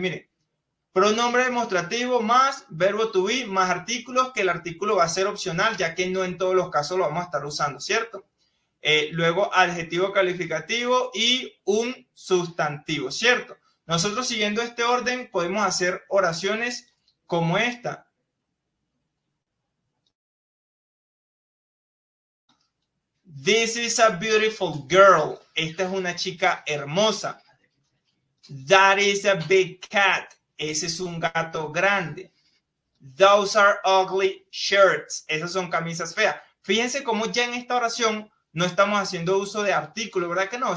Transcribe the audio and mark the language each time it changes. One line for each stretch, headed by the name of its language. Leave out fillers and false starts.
Spanish: Miren, pronombre demostrativo más verbo to be más artículos, que el artículo va a ser opcional, ya que no en todos los casos lo vamos a estar usando, ¿cierto? luego adjetivo calificativo y un sustantivo, ¿cierto? Nosotros siguiendo este orden podemos hacer oraciones como esta.
English: This is a beautiful girl.
Spanish: Esta es una chica hermosa.
English: That is a big cat.
Spanish: Ese es un gato grande.
English: Those are ugly shirts.
Spanish: Esas son camisas feas. Fíjense cómo ya en esta oración no estamos haciendo uso de artículo, ¿verdad que no?